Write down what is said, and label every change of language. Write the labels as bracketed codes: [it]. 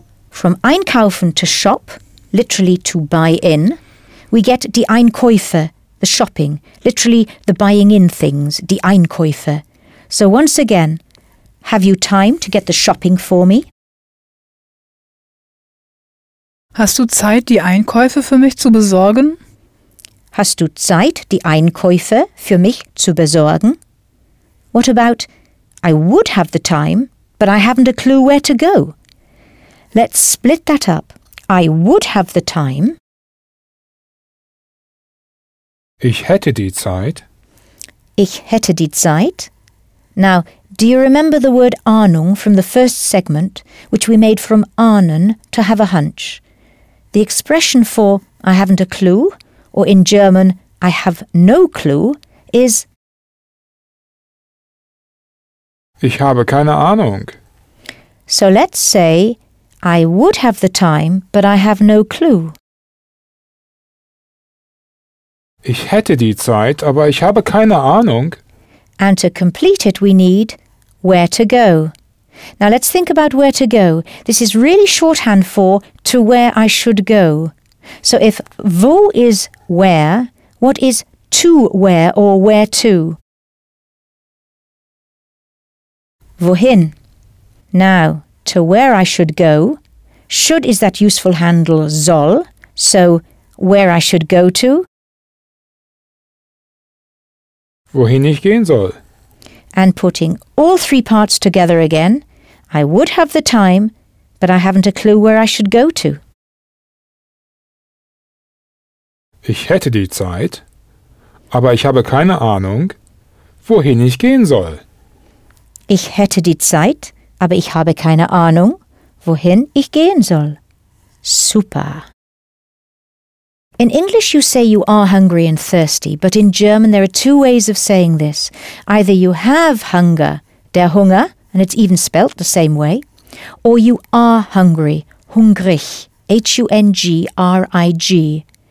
[en] From einkaufen to shop, literally to buy in, we get die Einkäufe, the shopping, literally the buying in things, die Einkäufe. So once again, have you time to get the shopping for me? [de] Hast du Zeit, die Einkäufe für mich zu besorgen? Hast du Zeit, die Einkäufe für mich zu besorgen? [en] What about, I would have the time, but I haven't a clue where to go? Let's split that up. I would have the time. [de] Ich hätte die Zeit. Ich hätte die Zeit. [en] Now, do you remember the word Ahnung from the first segment, which we made from Ahnen, to have a hunch? The expression for I haven't a clue, or in German, I have no clue, is [de] Ich habe keine Ahnung. [en] So let's say, I would have the time, but I have no clue. [de] Ich hätte die Zeit, aber ich habe keine Ahnung. [en] And to complete it, we need where to go. Now let's think about where to go. This is really shorthand for to where I should go. So if wo is where, what is to where or where to? Wohin. Now, to where I should go. Should is that useful handle soll. So, where I should go to. [de] Wohin ich gehen soll. [en] And putting all three parts together again. I would have the time, but I haven't a clue where I should go to. [de] Ich hätte die Zeit, aber ich habe keine Ahnung, wohin ich gehen soll. Ich hätte die Zeit, aber ich habe keine Ahnung, wohin ich gehen soll. [en] Super. In English you say you are hungry and thirsty, but in German there are two ways of saying this. Either you have hunger, der Hunger, and it's even spelt the same way, or you are hungry, hungrig, H-U-N-G-R-I-G.